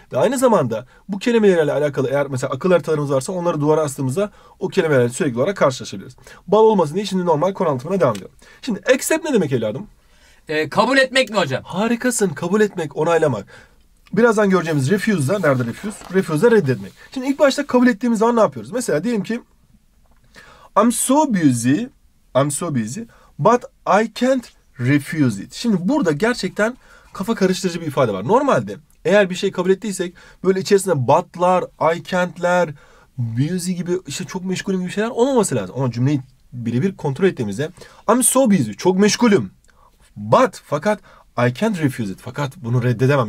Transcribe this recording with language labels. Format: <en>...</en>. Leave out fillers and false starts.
<tr>Ve aynı zamanda bu kelimelerle alakalı eğer mesela akıl haritalarımız varsa onları duvara astığımızda o kelimelerle sürekli olarak karşılaşabiliriz. Bal olmasın diye şimdi normal konu anlatımına devam ediyorum. Şimdi accept ne demek evladım? Kabul etmek mi hocam? Harikasın. Kabul etmek, onaylamak. Birazdan göreceğimiz refuse'da. Nerede refuse? Refuse'da reddetmek. Şimdi ilk başta kabul ettiğimiz zaman ne yapıyoruz? Mesela diyelim ki</tr> <en>I'm so busy but I can't refuse it.</en> <tr>Şimdi burada gerçekten kafa karıştırıcı bir ifade var. Normalde eğer bir şey kabul ettiysek böyle içerisinde but'lar, I can't'ler, busy gibi işte çok meşgulüm gibi şeyler olmaması lazım. Ama cümleyi birebir kontrol ettiğimizde</tr> <en>I'm so busy,</en> <tr>çok meşgulüm.</tr> <en>But, fakat I can't refuse it.</en> <tr>Fakat bunu reddedemem.</tr>